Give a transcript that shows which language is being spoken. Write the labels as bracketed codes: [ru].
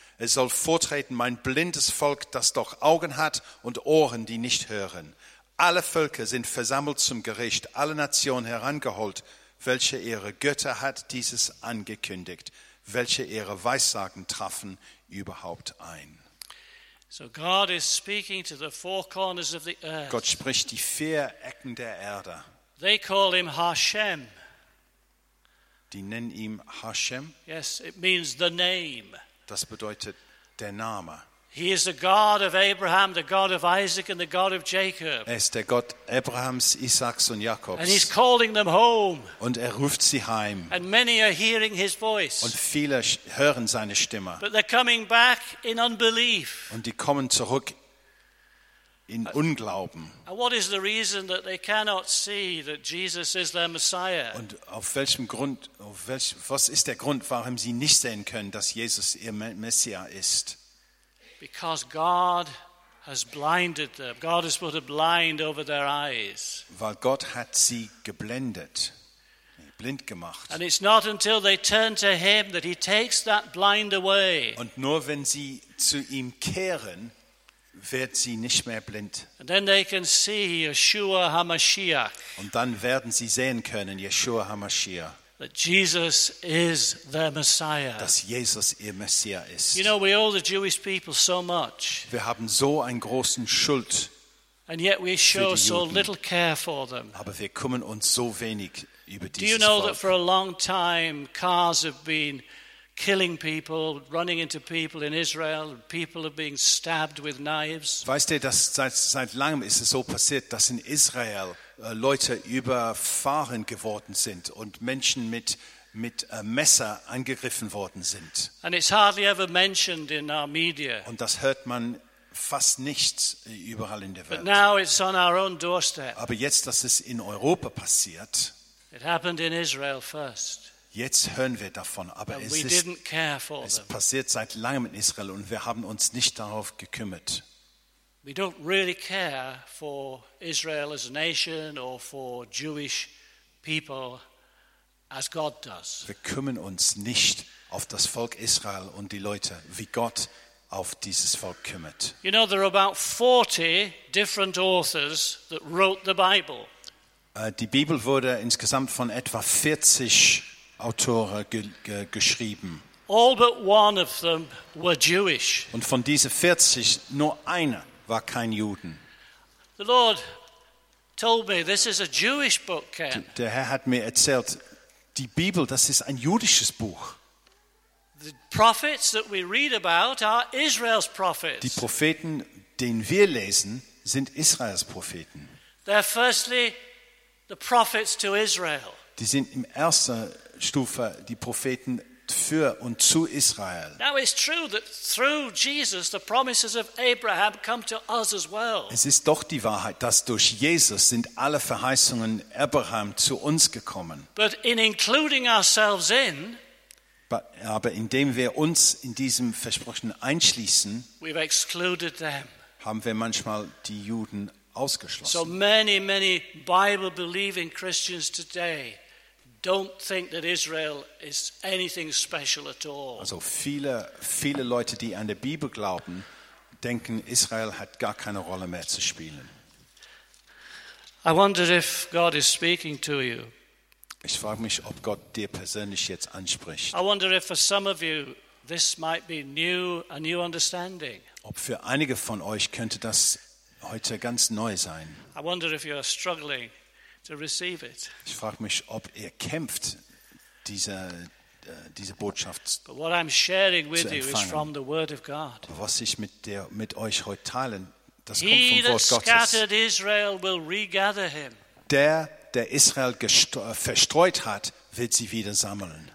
[de] Es soll vortreten mein blindes Volk, das doch Augen hat und Ohren, die nicht hören. Alle Völker sind versammelt zum Gericht, alle Nationen herangeholt, welche ihre Götter hat dieses angekündigt, welche ihre Weissagen trafen überhaupt ein. [en] So God is speaking to the four corners of the earth. [de] Gott spricht die vier Ecken der Erde. [en] They call him Hashem. [de] Die nennen ihn Hashem. [en] Yes, it means the name. [de] Das bedeutet der Name. [en] He is the God of Abraham, the God of Isaac, and the God of Jacob. [de] Er ist der Gott Abrahams, Isaaks und Jakobs. [en] And he's calling them home. [de] Und er ruft sie heim. [en] And many are hearing his voice. [de] Und viele hören seine Stimme. [en] But they're coming back in unbelief. [de] Und die kommen zurück in Unglauben. [en] And what is the reason that they cannot see that Jesus is their Messiah? [de] Und was ist der Grund, warum sie nicht sehen können, dass Jesus ihr Messias ist? [en] Because God has blinded them. God has put a blind over their eyes. [de] Weil Gott hat sie geblendet, blind gemacht. [en] And it's not until they turn to him that he takes that blind away. [de] Und nur wenn sie zu ihm kehren, wird sie nicht mehr blind. [en] And then they can see Yeshua HaMashiach. [de] Und dann werden sie sehen können, Yeshua HaMashiach. [en] That Jesus is their Messiah. [de] Dass Jesus ihr Messias ist. [en] You know, we owe the Jewish people so much. [de] Wir haben so einen großen Schuld. [en] And yet we show so little care for them. [de] Aber wir kümmern uns so wenig über dieses [en] Do you know [de] Volk. [en] That for a long time cars have been killing people, running into people in Israel, people are being stabbed with knives? [de] Weißt du, dass seit langem ist es so passiert, dass in Israel Leute überfahren geworden sind und Menschen mit Messer angegriffen worden sind. [en] And it's hardly ever mentioned in our media. [de] Und das hört man fast nicht überall in der Welt. [en] But now it's on our own doorstep. [de] Aber jetzt, dass es in Europa passiert, [en] it happened in Israel first. [de] Jetzt hören wir davon, aber es passiert seit langem in Israel und wir haben uns nicht darauf gekümmert. [en] We don't really care for Israel as a nation or for Jewish people as God does. [de] Wir kümmern uns nicht auf das Volk Israel und die Leute, wie Gott auf dieses Volk kümmert. [en] You know, there are about 40 different authors that wrote the Bible. [de] Die Bibel wurde insgesamt von etwa 40 Autoren geschrieben. [en] All but one of them were Jewish. [de] Und von diesen 40 nur einer war kein Juden. [en] The Lord told me this is a Jewish book, Ken. [de] Der Herr hat mir erzählt, die Bibel, das ist ein jüdisches Buch. [en] The prophets that we read about are Israel's prophets. [de] Die Propheten, den wir lesen, sind Israels Propheten. [en] They're firstly the prophets to Israel. [de] Die sind im ersten Stufe die Propheten für und zu Israel. [en] Now it's true that through Jesus the promises of Abraham come to us as well. [de] Es ist doch die Wahrheit, dass durch Jesus sind alle Verheißungen Abraham zu uns gekommen. [en] But in including ourselves in, [de] aber indem wir uns in diesem Versprechen einschließen, [en] we've excluded them. [de] Haben wir manchmal die Juden ausgeschlossen. [en] So many, many Bible-believing Christians today don't think that Israel is anything special at all. [de] Also viele, viele Leute, die an der Bibel glauben, denken, Israel hat gar keine Rolle mehr zu spielen. [en] I wonder if God is speaking to you. [de] Ich frage mich, ob Gott dir persönlich jetzt anspricht. [en] I wonder if for some of you this might be a new understanding. [de] Ob für einige von euch könnte das heute ganz neu sein. [en] I wonder if you are struggling to receive it. [de] Ich frage mich, ob ihr kämpft, diese Botschaft zu empfangen. [en] But what I'm sharing with you is from the Word of God. [de] Was ich mit euch heute teilen, das [en] he [de] kommt vom Wort Gottes. [en] Scattered Israel will regather him. [de] Der Israel verstreut hat, wird sie wieder sammeln.